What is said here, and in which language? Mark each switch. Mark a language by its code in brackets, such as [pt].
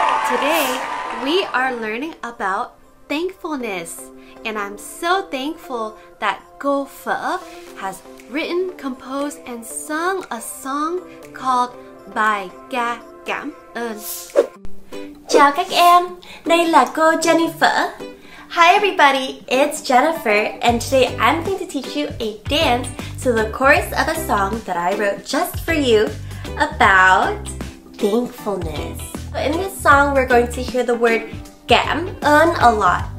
[en] Today we are learning about thankfulness, and I'm so thankful that Go Phở has written, composed, and sung a song called Bài Ca Cảm Ơn. [vi] Chào các em, đây là cô Jennifer. [en] Hi everybody, it's Jennifer, and today I'm going to teach you a dance to the chorus of a song that I wrote just for you about thankfulness. In this song, we're going to hear the word Cảm Ơn a lot.